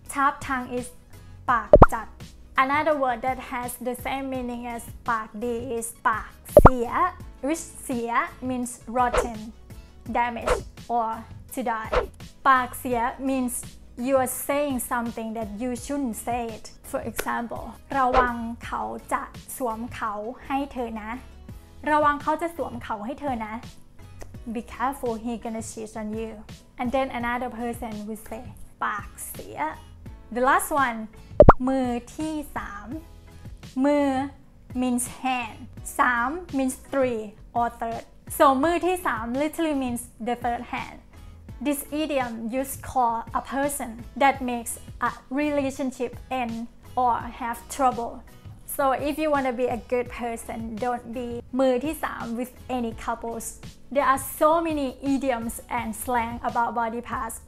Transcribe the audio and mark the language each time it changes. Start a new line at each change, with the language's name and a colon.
English: Chap tang is paak jat. Another word that has the same meaning as paak di is paak xia, which xia means rotten, damaged, or to die. Paak xia means you are saying something that you shouldn't say it. For example,
Thai: ระวังเขาจะสวมเขาให้เธอนะ ระวังเขาจะสวมเขาให้เธอนะ
English: Be careful, he's gonna cheat on you. And then another person would say, ปากเสีย The last one, มือที่สาม มือ means hand, สาม means three or third. So มือที่สาม literally means the third hand. This idiom used for a person that makes a relationship end or have trouble. So if you want to be a good person, don't be มือที่สาม with any couples. There are so many idioms and slang about body parts.